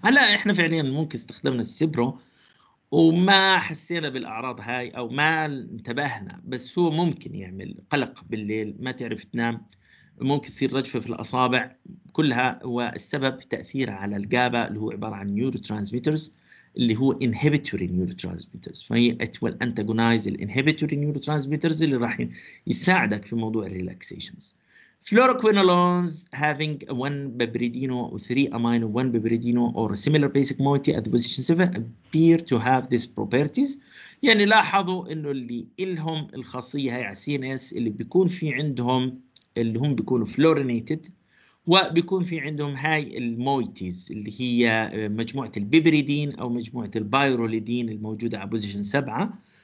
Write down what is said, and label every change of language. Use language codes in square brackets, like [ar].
[ar] هلا إحنا فعليا ممكن استخدمنا السيبرو وما حسينا بالأعراض هاي أو ما انتبهنا، بس هو ممكن يعمل قلق بالليل، ما تعرف تنام، ممكن يصير رجفة في الأصابع، كلها هو السبب تأثيره على الجابا اللي هو عبارة عن neurotransmitters اللي هو inhibitory neurotransmitters. فهي [en] it will antagonize the inhibitory neurotransmitters [ar] اللي راح يساعدك في موضوع [en] relaxations. Fluoroquinolones having one bibridino or three amino one bibridino or similar basic moiety at the position 7 appear to have these properties. [ar] يعني لاحظوا انه اللي إلهم الخاصية هاي على CNS اللي بيكون في عندهم اللي هم بيكونوا fluorinated وبيكون في عندهم هاي المويتيز اللي هي مجموعة البيبريدين أو مجموعة البايروليدين الموجودة على بوزيشن 7.